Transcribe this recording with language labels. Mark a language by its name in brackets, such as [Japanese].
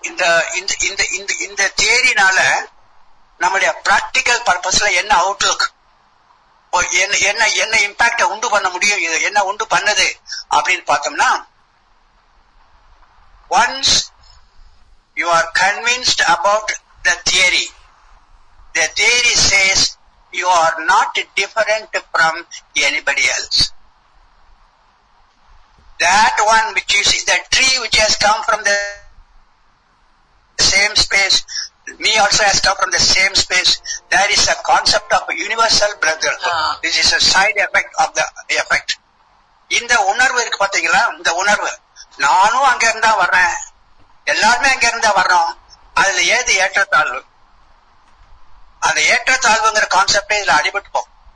[Tamil] இந்த இந்த இந்த இந்த தியரினால நம்மளுடைய பிராக்டிக்கல் பர்பஸ்ல என்ன அவுட்லுக், என்ன என்ன என்ன இம்பாக்ட உண்டு பண்ண முடியும், இது என்ன உண்டு பண்ணுது அப்படின்னு பார்த்தோம்னா, [English] Once you are convinced about the theory, the theory says you are not different from anybody else. That one which is the tree which has come from the same space, me also has come from the same space, there is a concept of a universal brotherhood. This is a side effect of the effect. [Tamil] இந்த உணர்வு இருக்கு பாத்தீங்களா, இந்த உணர்வு நானும் அங்க இருந்தா வர்றேன், எல்லாருமே அங்க இருந்தா வர்றோம், அதுல ஏது ஏற்றத்தாழ்வு, அந்த ஏற்றத்தாழ்வுங்கிற கான்செப்டே இதுல அடிபட்டுப்போம்.